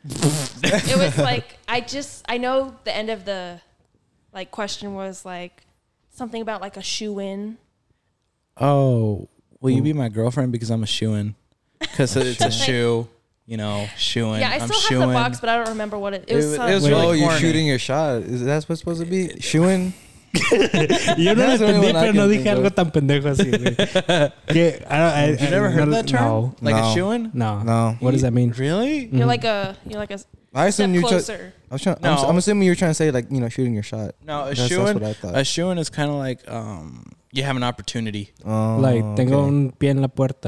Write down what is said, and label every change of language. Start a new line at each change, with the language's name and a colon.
English: It was like, I know the end of the like question was like something about like a shoe-in. Oh, will you be my girlfriend because I'm a shoe-in? Because it's a shoe. You know, shoeing. Yeah, I still I'm have the box, but I don't remember what it was. Oh, really, you're shooting your shot. Is that what it's supposed to be? Shooing?
Spanish: Yo no entendí, pero no dije algo tan pendejo así, güey.
English: You never heard that term? No. Like a shooing? No. What does that mean? Really? I'm assuming you're trying to say, like, you know, shooting your shot. No, that's what I thought. A shooing is kind of like, you have an opportunity.
Spanish: Oh, like, tengo un pie en la puerta.